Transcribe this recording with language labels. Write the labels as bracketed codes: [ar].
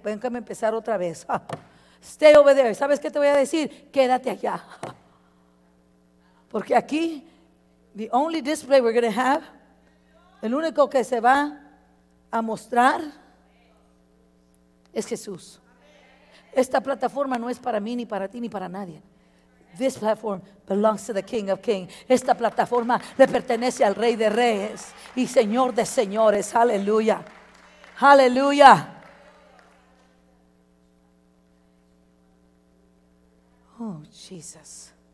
[es] Véngame a empezar otra vez. [en] Stay over there. [es] ¿Sabes qué te voy a decir? Quédate allá. Porque aquí, [en] the only display we're going to have, [es] el único que se va a mostrar es Jesús. Esta plataforma no es para mí, ni para ti, ni para nadie. [en] This platform belongs to the King of Kings. [es] Esta plataforma le pertenece al Rey de Reyes y Señor de Señores. Aleluya. Aleluya. [en] Oh, Jesus.